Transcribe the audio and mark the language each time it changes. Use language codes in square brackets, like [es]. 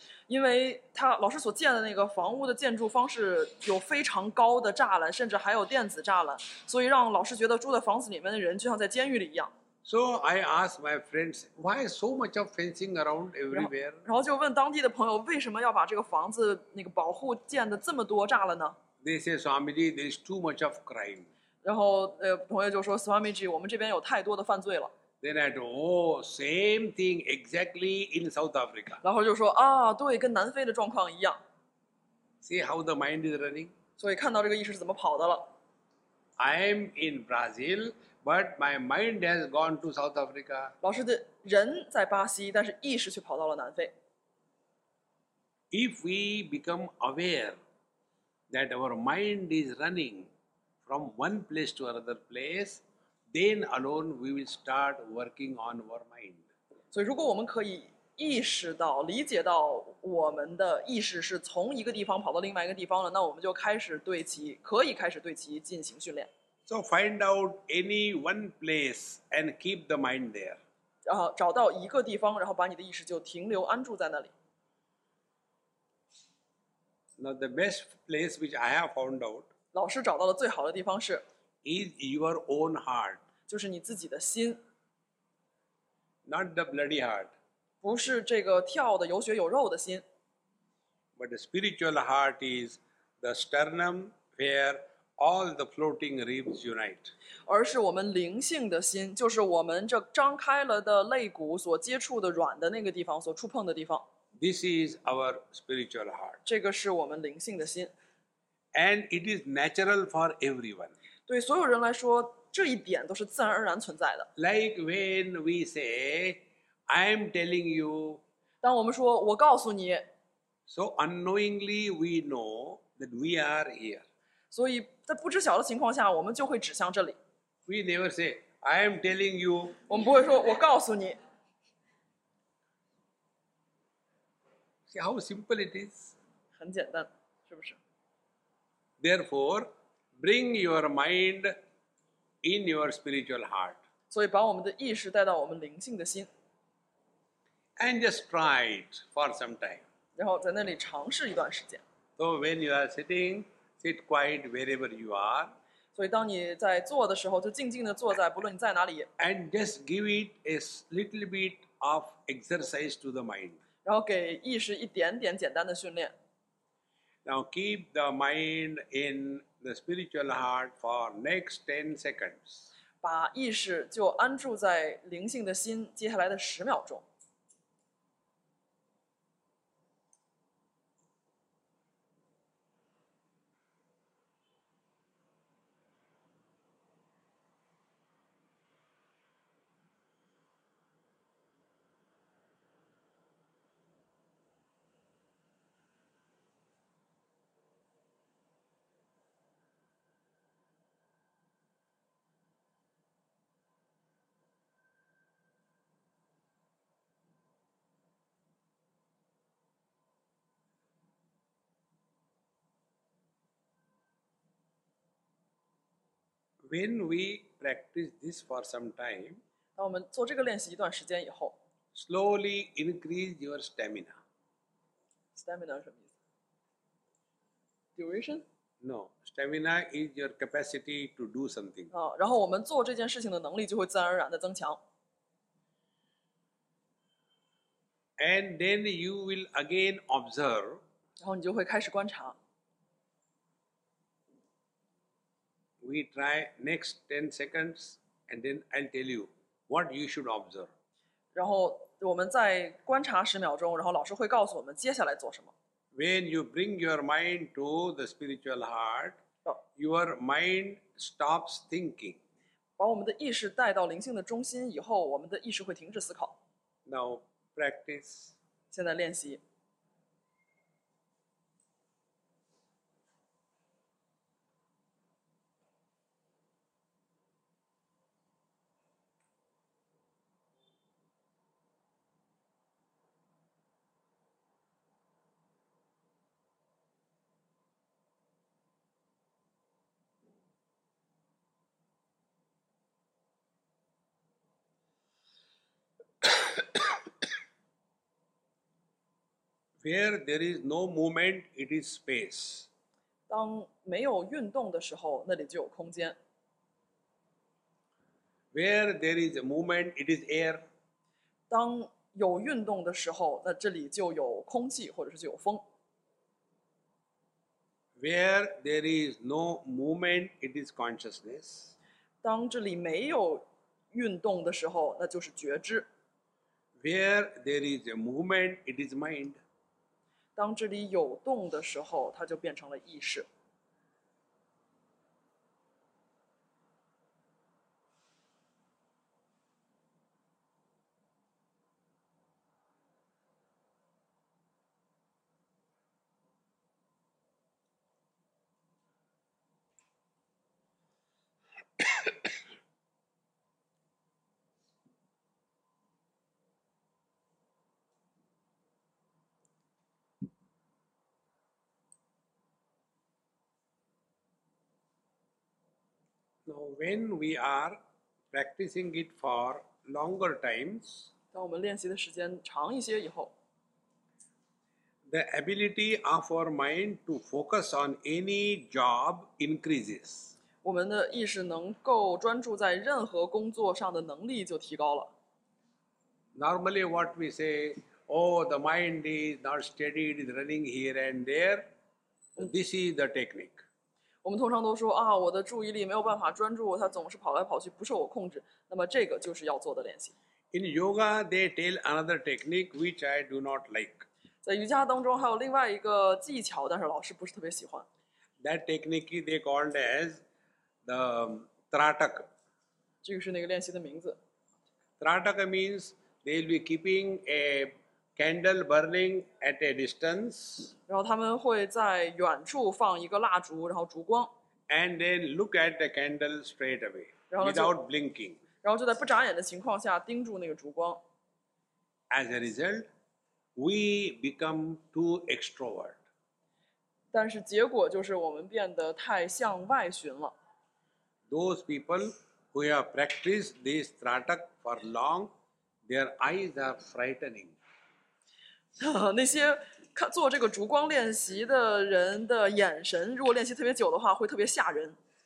[zh] 因为他老师所建的那个房屋的建筑方式有非常高的栅栏，甚至还有电子栅栏，所以让老师觉得住在房子里面的人就像在监狱里一样。 [en] So I asked my friends, why so much of fencing around everywhere? [zh] 然后就问当地的朋友，为什么要把这个房子那个保护建的这么多栅栏呢？ [en] They say, Swamiji, there is too much of crime. [zh] 然后朋友就说 ，Swamiji， 我们这边有太多的犯罪了。 [en] Then I told, oh, same thing exactly in South Africa. [zh] 然后就说啊，对，跟南非的状况一样。 [en] See how the mind is running? [zh] 所以看到这个意识是怎么跑的了。 [en] I'm in Brazil. But my mind has gone to South Africa. [zh] 老师的人在巴西，但是意识却跑到了南非。 [en] If we become aware that our mind is running from one place to another place, then alone we will start working on our mind. [zh] 所以，如果我们可以意识到、理解到我们的意识是从一个地方跑到另外一个地方了，那我们就开始对其可以开始对其进行训练。 [en] So find out any one place and keep the mind there. [zh] 然后找到一个地方，然后把你的意识就停留安住在那里。 [en] Now the best place which I have found out. [zh] 老师找到了最好的地方是。 [en] Is your own heart. [zh] 就是你自己的心。 [en] Not the bloody heart. [zh] 不是这个跳的有血有肉的心。 [en] But the spiritual heart is the sternum where. All the floating ribs unite. [zh] 而是我们灵性的心，就是我们这张开了的肋骨所接触的软的那个地方，所触碰的地方。 [en] This is our spiritual heart. [zh] 这个是我们灵性的心。 [en] And it is natural for everyone. [zh] 对所有人来说，这一点都是自然而然存在的。 [en] Like when we say, I'm telling you. [zh] 当我们说，我告诉你。 [en] So unknowingly we know that we are here. [zh] 所以在不知晓的情况下，我们就会指向这里。 [en] We never say, "I am telling you." [zh] 我们不会说“我告诉你”。 [en] See how simple it is. [zh] 很简单，是不是 [en] ？Therefore, bring your mind in your spiritual heart. [zh] 所以把我们的意识带到我们灵性的心。 [en] And just try it for some time. [zh] 然后在那里尝试一段时间。 [en] So when you are sitting. Sit quiet wherever you are. [zh] 所以当你在坐的时候，就静静的坐在，不论你在哪里。 [en] And just give it a little bit of exercise to the mind. [zh] 然后给意识一点点简单的训练。 [en] Now keep the mind in the spiritual heart for next 10 seconds. [zh] 把意识就安住在灵性的心，接下来的十秒钟。 [en] When we practice this for some time, 当我们做这个练习一段时间以后 slowly increase your stamina. [zh] Stamina 什么意思 ？Duration? [en] No, stamina is your capacity to do something. [zh] 啊，然后我们做这件事情的能力就会自然而然的增强。 [en] And then you will again observe. [zh] 然后你就会开始观察。 [en] We try next 10 seconds, and then I'll tell you what you should observe. [zh] 然后我们在观察十秒钟，然后老师会告诉我们接下来做什么。 [en] When you bring your mind to the spiritual heart, your mind stops thinking. [zh] 把我们的意识带到灵性的中心以后，我们的意识会停止思考。 [en] Now practice. [zh] 现在练习。 [en] Where there is no movement, it is space. [zh] 当没有运动的时候，那里就有空间。 [en] Where there is a movement, it is air. [zh] 当有运动的时候，那这里就有空气，或者是就有风。 [en] Where there is no movement, it is consciousness. [zh] 当这里没有运动的时候，那就是觉知。 [en] Where there is a movement, it is mind. [zh] 当这里有动的时候，它就变成了意识。 [en] When we are practicing it for longer times, [zh] 当我们练习的时间长一些以后， [en] the ability of our mind to focus on any job increases. [zh] 我们的意识能够专注在任何工作上的能力就提高了。 [en] Normally, what we say, oh, the mind is not steady, it is running here and there. This is the technique. [zh] 我们通常都说啊，我的注意力没有办法专注，它总是跑来跑去，不受我控制。那么这个就是要做的练习。 [en] In yoga, they tell another technique which I do not like. [zh] 在瑜伽当中还有另外一个技巧，但是老师不是特别喜欢。 [en] That technique they called as the Trataka. [zh] 这个是那个练习的名字。 [en] Trataka means they will be keeping a candle burning at a distance. [zh] 然后他们会在远处放一个蜡烛，然后烛光。 [en] And then look at the candle straight away, without blinking. [zh] 然后就在不眨眼的情况下盯住那个烛光。 [en] As a result, we become too extrovert. [zh] 但是结果就是我们变得太向外寻了。 [en] Those people who have practiced this tratak for long, their eyes are frightening. [zh] 那些做这个烛光练习的人的眼神，如果练习特别久的话，会特别吓人。